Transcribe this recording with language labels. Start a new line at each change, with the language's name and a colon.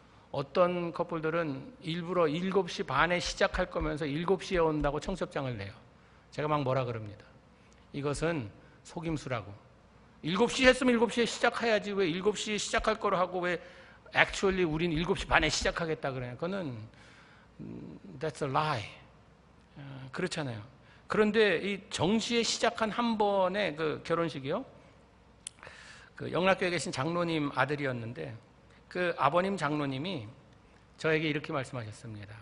Korean: 어떤 커플들은 일부러 7시 반에 시작할 거면서 7시에 온다고 청첩장을 내요. 제가 막 뭐라 그럽니다. 이것은 속임수라고. 7시 했으면 7시에 시작해야지, 왜 7시에 시작할 걸 하고 왜 actually 우린 7시 반에 시작하겠다 그러냐. 그거는
English: that's a lie.
Korean: 그렇잖아요. 그런데 이 정시에 시작한 한 번의 그 결혼식이요, 그 영락교회에 계신 장로님 아들이었는데, 그 아버님 장로님이 저에게 이렇게 말씀하셨습니다.